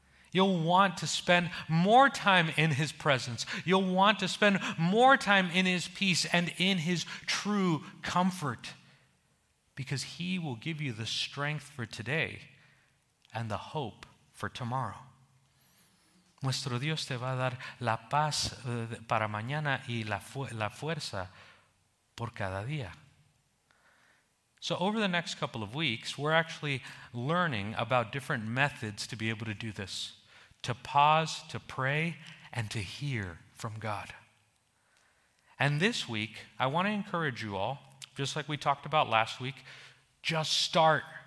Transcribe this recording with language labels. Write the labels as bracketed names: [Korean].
[English] You'll want to spend more time in His presence. You'll want to spend more time in His peace and in His true comfort, because He will give you the strength for today and the hope for tomorrow. [Spanish] Nuestro Dios te va a dar la paz para mañana y la fuerza por cada día. [English] So over the next couple of weeks, we're actually learning about different methods to be able to do this, to pause, to pray, and to hear from God. And this week, I want to encourage you all, just like we talked about last week, just start.